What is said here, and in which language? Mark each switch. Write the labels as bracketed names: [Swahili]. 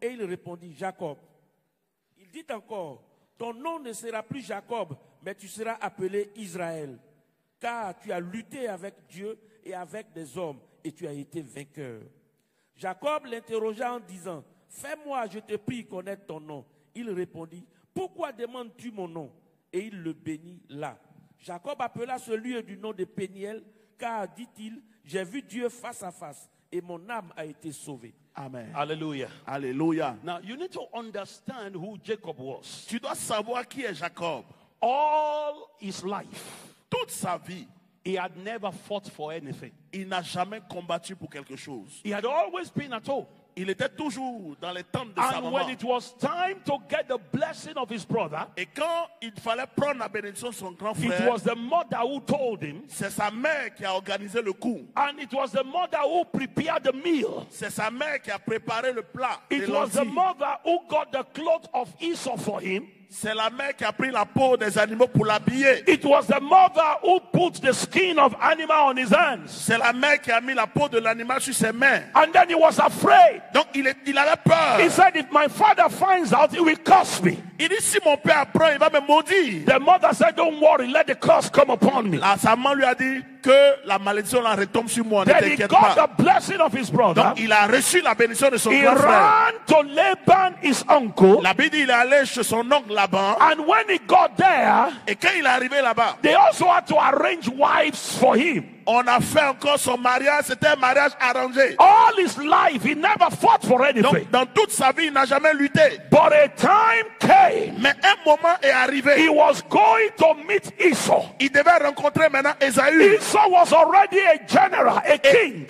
[French] Et il répondit, « Jacob. » Il dit encore, « Ton nom ne sera plus Jacob, mais tu seras appelé Israël, car tu as lutté avec Dieu et avec des hommes, et tu as été vainqueur. » Jacob l'interrogea en disant, « Fais-moi, je te prie, connaître ton nom. » Il répondit, « Pourquoi demandes-tu mon nom ?» Et il le bénit là. Jacob appela ce lieu du nom de Péniel, car, dit-il, « J'ai vu Dieu face à face, et mon âme a été sauvée. » Amen. Hallelujah. Hallelujah. [English] Now you need to understand who Jacob was. [French] Tu dois savoir qui est Jacob. [English] All his life, [French] toute sa vie, [English] he had never fought for anything. [French] Il n'a jamais combattu pour quelque chose. [English] He had always been at home. [French] Il était toujours dans les tentes de [English] and [French] sa maman. [English] And when it was time to get the blessing of his brother, [French] et quand il fallait prendre la bénédiction de son grand frère, [English] it was the mother who told him. [French] C'est sa mère qui a organisé le coup. [English] And it was the mother who prepared the meal. [French] C'est sa mère qui a préparé le plat. [English] It was the mother who got the cloth of Esau for him. [French] C'est la mère qui a pris la peau des animaux pour l'habiller. [English] It was the mother who put the skin of animal on his hands. [French] C'est la mère qui a mis la peau de l'animal sur ses mains. [English] And then he was afraid. [French] Donc il avait peur. [English] He said, if my father finds out, he will curse me. [French] Il dit, si mon père apprend, il va me maudire. [English] The mother said, don't worry, let the curse come upon me. [French] Là, sa mère lui a dit que la malédiction la retombe sur moi. [English] Then he got the blessing of his brother. [French] Donc il a reçu la bénédiction de son grand frère. [English] He ran to Laban, his uncle. [French] La Bible dit, il est allé chez son oncle Laban. [English] And when he got there, [French] et quand il est arrivé là-bas, [English] they also had to arrange wives for him. [French] On a fait encore son mariage, c'était un mariage arrangé. [English] All his life, he never fought for anything. [French] Donc, dans toute sa vie, il n'a jamais lutté. [English] But a time came. [French] Mais un moment est arrivé. [English] He was going to meet Esau. [French] Il devait rencontrer maintenant Esaü. [English] Esau was already a general, a king.